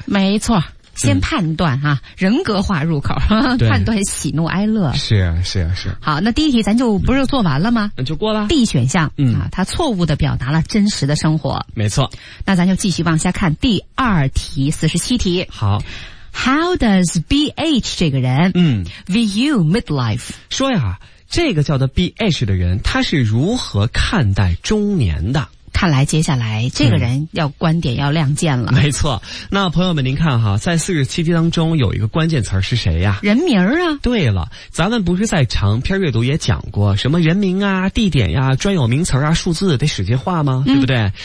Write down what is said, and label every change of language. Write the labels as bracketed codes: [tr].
[zh] 没错，先判断啊，人格化入口，判断喜怒哀乐。是啊，是啊，是。好，那第一题咱就不是做完了吗？那就过了。 D 选项，他错误的表达了真实的生活。没错。那咱就继续往下看第二题，47题。好。 [en] How does BH [zh] 这个人 [en] view midlife？ [zh] 说呀，这个叫做 BH 的人，他是如何看待中年的？看来接下来这个人要观点要亮剑了。没错，那朋友们您看哈，在47题当中有一个关键词是谁呀？人名啊。对了，咱们不是在长篇阅读也讲过什么人名啊、地点呀、专有名词啊、数字得使劲画吗？对不对？